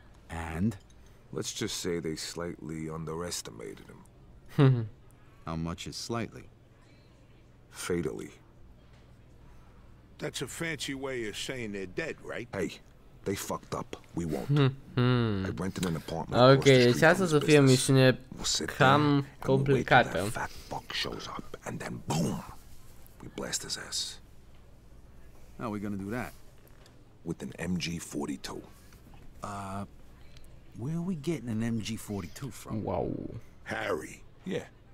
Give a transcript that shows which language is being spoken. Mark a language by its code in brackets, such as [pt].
[en] And? Let's just say they slightly underestimated him. How much is slightly? Fatally. That's a fancy way of saying they're dead, right? Hey, they fucked up. We won't. I rented an apartment. [ro] Okay, deci asta să fie o misiune cam complicată. [en] Fat fuck shows up and then boom. We blast his ass. How are we gonna do that? With an MG-42. Where are we getting an MG-42 from? Wow. Harry. Yeah.